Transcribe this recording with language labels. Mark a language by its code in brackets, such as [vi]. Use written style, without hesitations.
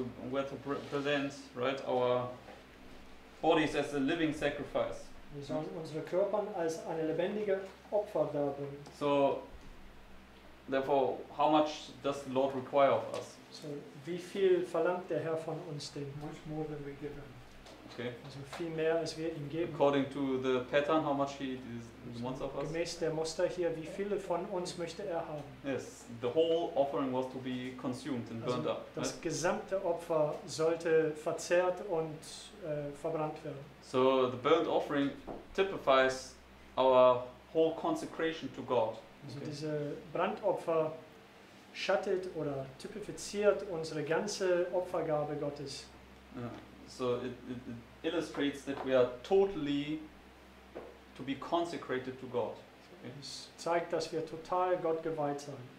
[en] We're to present, right, our bodies as a living sacrifice. [de] Wir sollen unsere Körper als eine lebendige Opfer darbringen. [en] So, therefore, how much does the Lord require of us? [de] So, wie viel verlangt der Herr von uns denn? [en] Much more than we give him. Okay. [de] Also viel mehr als wir ihm geben. [en] According to the pattern, how much he wants of us? [de] Gemäß der Muster hier, wie viele von uns möchte er haben? [en] Yes, the whole offering was to be consumed and also burned up. [de] Das gesamte Opfer sollte verzehrt und verbrannt werden. [en] So the burnt offering typifies our whole consecration to God. Also okay. [de] Diese Brandopfer schattet oder typifiziert unsere ganze Opfergabe Gottes. [en] Yeah. So it illustrates that we are totally to be consecrated to God. Okay. [de] Es zeigt, dass wir total Gott geweiht sind.